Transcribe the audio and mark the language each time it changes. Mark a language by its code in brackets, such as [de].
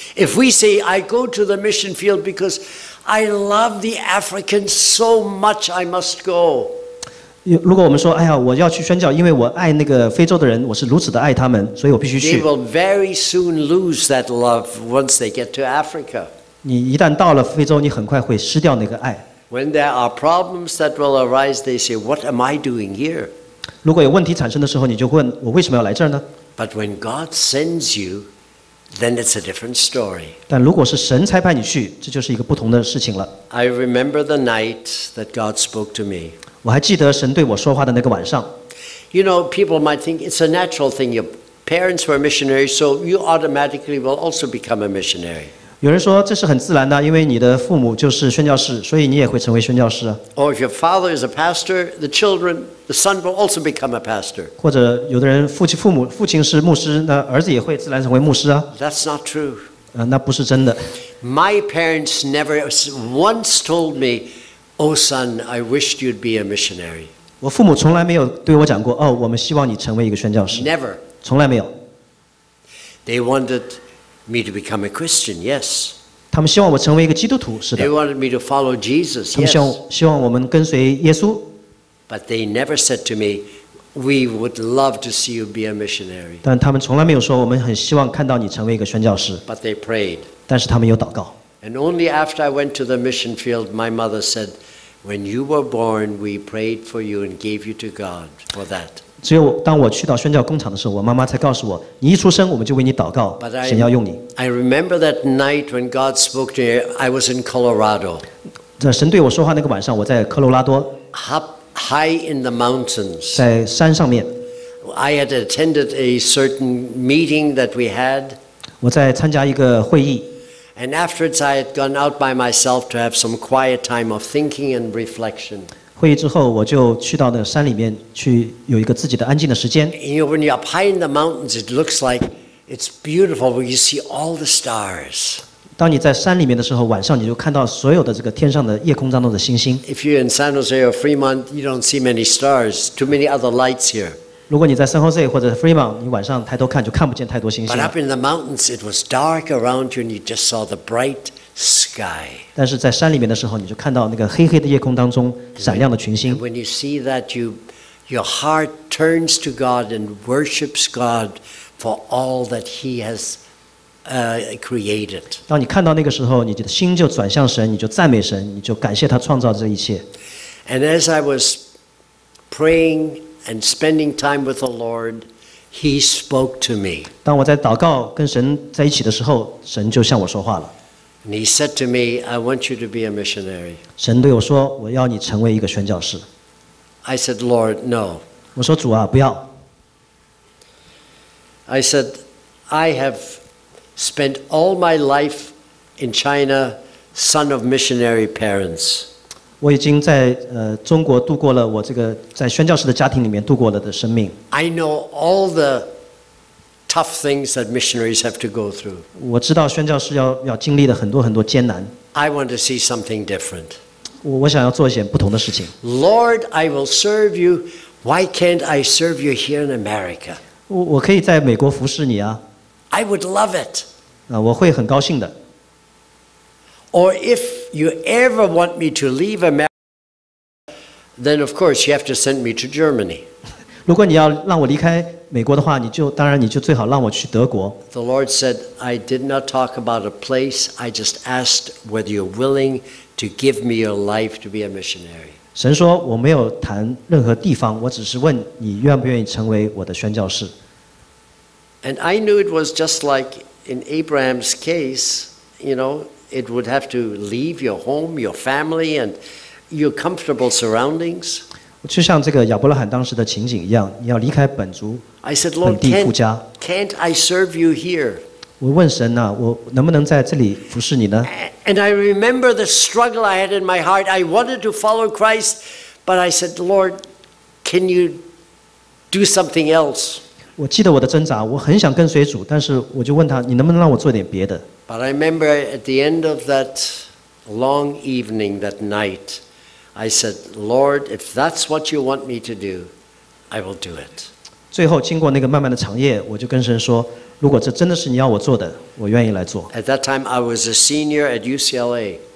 [en] If we say, I go to the mission field because I love the Africans so much, I must go. [zh] 如果我们说，哎呀，我要去宣教，因为我爱那个非洲的人，我是如此的爱他们，所以我必须去。 [en] They will very soon lose that love once they get to Africa. [zh] 你一旦到了非洲，你很快会失掉那个爱。 [en] When there are problems that will arise, they say, "What am I doing here?" [zh] 如果有问题产生的时候，你就问我为什么要来这儿呢 [en] ？But when God sends you, then it's a different story. [zh] 但如果是神差派你去，这就是一个不同的事情了。 [en] I remember the night that God spoke to me. [zh] 我还记得神对我说话的那个晚上。 [en] You know, people might think it's a natural thing. Your parents were missionaries, so you automatically will also become a missionary. [zh] 有人说这是很自然的，因为你的父母就是宣教士，所以你也会成为宣教士。 [en] Or if your father is a pastor, the children, the son will also become a pastor. [zh] 或者有的人父亲是牧师，那儿子也会自然成为牧师啊。 [en] That's not true. [zh] 那不是真的。 [en] My parents never once told me. Oh, son, I wished you'd be a missionary. [zh] 我父母从来没有对我讲过，哦，我们希望你成为一个宣教士。 [en] Never. [zh] 从来没有。 [en] They wanted me to become a Christian, yes. [zh] 他们希望我成为一个基督徒，是的。 [en] They wanted me to follow Jesus, yes. [zh] 他们希望我们跟随耶稣。 [en] But they never said to me, we would love to see you be a missionary. [zh] 但他们从来没有说，我们很希望看到你成为一个宣教士。 [en] But they prayed. [zh] 但是他们有祷告。 [en] And only after I went to the mission field, my mother said, "When you were born, we prayed for you and gave you to God for that." [zh] 只有当我去到宣教工厂的时候，我妈妈才告诉我，你一出生我们就为你祷告，神要用你。 [en] I remember that night when God spoke to me. I was in Colorado. [zh] 在神对我说话那个晚上，我在科罗拉多。 [en] High in the mountains. [zh] 在山上面。 [en] I had attended a certain meeting that we had. [zh] 我在参加一个会议。 [en] And afterwards, I had gone out by myself to have some quiet time of thinking and reflection. [zh] 会议之后，我就去到那山里面去有一个自己的安静的时间。 [en] You know, when you're up high in the mountains, it looks like it's beautiful when you see all the stars. [zh] 当你在山里面的时候，晚上你就看到所有的这个天上的夜空当中的星星。 [en] If you're in San Jose or Fremont, you don't see many stars. Too many other lights here. [zh] 如果你在 San Jose 或者 Fremont， 你晚上抬头看就看不见太多星星。 [en] But up in the mountains, it was dark around you, and you just saw the bright sky. [zh] 但是在山里面的时候，你就看到那个黑黑的夜空当中闪亮的群星。 [en] When you see that, your heart turns to God and worships God for all that He has created. [zh] 当你看到那个时候，你的心就转向神，你就赞美神，你就感谢他创造这一切。 [en] And as I was praying. And spending time with the Lord, He spoke to me. [zh] 当我在祷告跟神在一起的时候，神就向我说话了。 [en] And He said to me, "I want you to be a missionary." [zh] 神对我说，我要你成为一个宣教士。 [en] I said, "Lord, no." [zh] 我说主啊，不要。 [en] I said, "I have spent all my life in China, son of missionary parents." [zh] 我已经在中国度过了我这个在宣教士的家庭里面度过了的生命。 [en] I know all the tough things that missionaries have to go through. [zh] 我知道宣教士要经历的很多很多艰难。 [en] I want to see something different. [zh] 我想要做一些不同的事情。 [en] Lord, I will serve you. Why can't I serve you here in America? [zh] 我可以在美国服侍你啊。 [en] I would love it. [zh] 我会很高兴的。 [en] Or if you ever want me to leave America, then of course you have to send me to Germany. [zh] 如果你要让我离开美国的话，当然你就最好让我去德国。 [en] The Lord said, "I did not talk about a place. I just asked whether you're willing to give me your life to be a missionary." [zh] 神说我没有谈任何地方，我只是问你愿不愿意成为我的宣教士。 [en] And I knew it was just like in Abraham's case, you know. it would have to leave your home, your family, and your comfortable surroundings. [zh] 就像这个亚伯拉罕当时的情景一样，你要离开本族、本地、父家。 [en] Can't I serve you here? [zh] 我问神呐、啊，我能不能在这里服侍你呢 [en] ？And I remember the struggle I had in my heart. I wanted to follow Christ, but I said, Lord, can you do something else? [zh] 我记得我的挣扎，我很想跟随主，但是我就问他，你能不能让我做点别的 [en] ？But I remember at the end of that long evening, that night. I said, Lord, if that's what you want me to do, I will do it. [zh] 最后经过那个漫漫的长夜，我就跟神说，如果这真的是你要我做的，我愿意来做。 [en] At that time, I was a senior at UCLA.